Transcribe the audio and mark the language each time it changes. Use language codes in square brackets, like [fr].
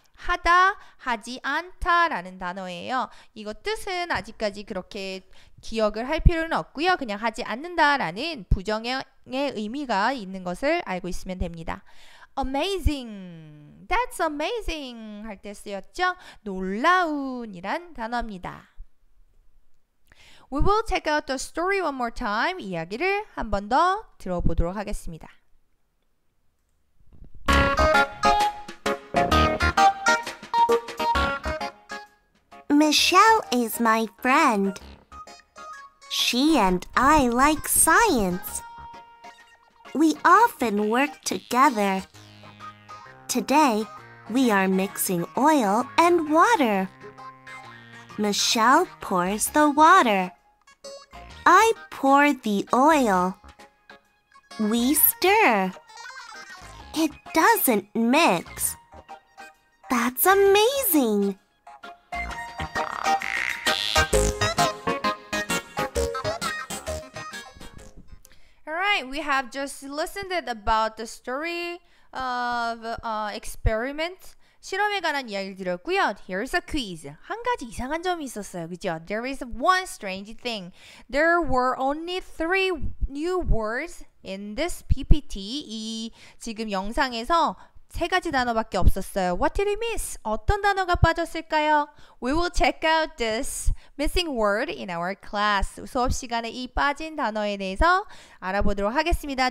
[ko] 하다, 하지 않다 라는 단어예요. 이거 뜻은 아직까지 그렇게 기억을 할 필요는 없고요. 그냥 하지 않는다 라는 부정의 의미가 있는 것을 알고 있으면 됩니다. [en] Amazing. That's amazing 할 때 쓰였죠? [ko] 놀라운이란 단어입니다. [en] We will check out the story one more time. [ko] 이야기를 한 번 더 들어보도록 하겠습니다. [en] Michelle is my friend. She and I like science. We often work together. Today, we are mixing oil and water. Michelle pours the water. I pour the oil. We stir. It doesn't mix. That's amazing. All right, we have just listened about the story of experiment. [ko] 실험에 관한 이야기를 들었고요. [en] Here's a quiz. [ko] 한 가지 이상한 점이 있었어요. [en] 그죠? There is one strange thing. There were only three new words in this PPT. [ko] 이 지금 영상에서 세 가지 단어밖에 없었어요. [en] What did we miss? [ko] 어떤 단어가 빠졌을까요? [en] We will check out this missing word in our class. [ko] 수업 시간에 이 빠진 단어에 대해서 알아보도록 하겠습니다.